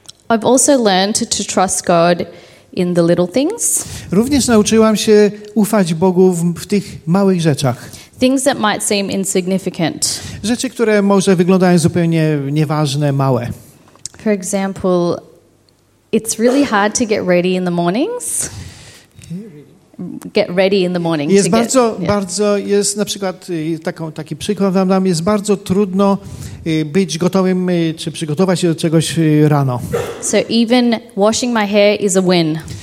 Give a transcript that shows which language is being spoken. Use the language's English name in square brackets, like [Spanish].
[English] I've also learned to trust God in the little things. [Polish] Również nauczyłam się ufać Bogu w tych małych rzeczach. [English] Things that might seem insignificant. [Polish] Rzeczy, które może wyglądają zupełnie nieważne, małe. [English] For example, it's really hard to get ready in the mornings. Get ready in the mornings. [Polish] Jest bardzo, bardzo, jest na przykład taki przykład wam dam, jest bardzo trudno być gotowym czy przygotować się do czegoś rano. [English] So even washing my hair is a win.